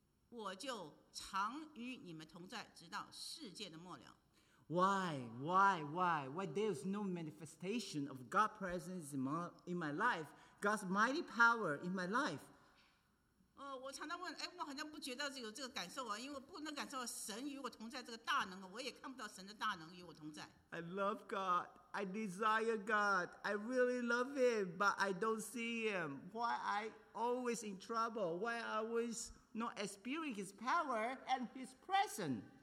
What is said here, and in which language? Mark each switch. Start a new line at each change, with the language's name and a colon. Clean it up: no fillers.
Chinese: 我就常与你们同在，直到世界的末了。
English: Why? Why there is no manifestation of God's presence in my life, God's mighty power in my life?
Chinese: 我常常问，我好像不觉得有这个感受，因为不能感受神与我同在这个大能，我也看不到神的大能与我同在。
English: I love God. I desire God. I really love Him, but I don't see Him. Why I always in trouble? Why I always not experience His power and His presence?